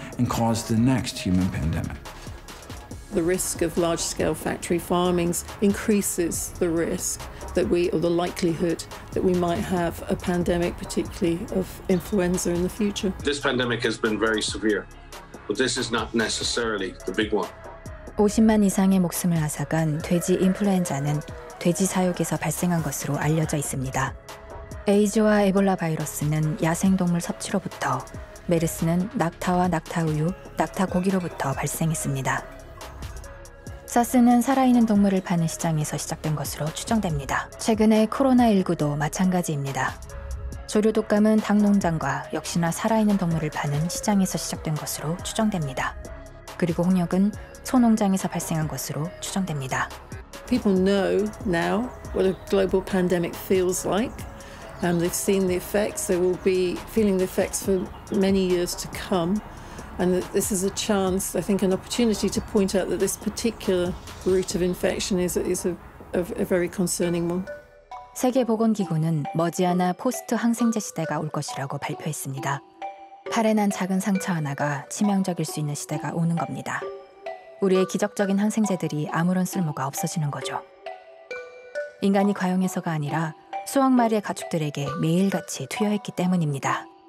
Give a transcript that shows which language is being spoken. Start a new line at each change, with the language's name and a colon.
English: The risk of large-scale factory farmings increases the risk that we, or the likelihood that we might have a pandemic, particularly of influenza in the future. This pandemic has been very severe, but this is not necessarily the big one.
Korean: 50만 이상의 목숨을 앗아간 돼지 인플루엔자는 돼지 사육에서 발생한 것으로 알려져 있습니다. 에이즈와 에볼라 바이러스는 야생동물 섭취로부터, 메르스는 낙타와 낙타우유, 낙타고기로부터 발생했습니다. 사스는 살아있는 동물을 파는 시장에서 시작된 것으로 추정됩니다. 최근에 코로나19도 마찬가지입니다. 조류독감은 닭농장과 역시나 살아있는 동물을 파는 시장에서 시작된 것으로 추정됩니다. 그리고 홍역은 소농장에서 발생한 것으로 추정됩니다.
English: People know now what a global pandemic feels like. They've seen the effects. They will be feeling the effects for many years to come. And this is a chance, I think, an opportunity to point out that this particular route of infection is a very concerning one.
Korean: 세계보건기구는 머지않아 포스트 항생제 시대가 올 것이라고 발표했습니다. 팔에 난 작은 상처 하나가 치명적일 수 있는 시대가 오는 겁니다. 우리의 기적적인 항생제들이 아무런 쓸모가 없어지는 거죠. 인간이 과용해서가 아니라 수억 마리의 가축들에게 매일같이 투여했기 때문입니다.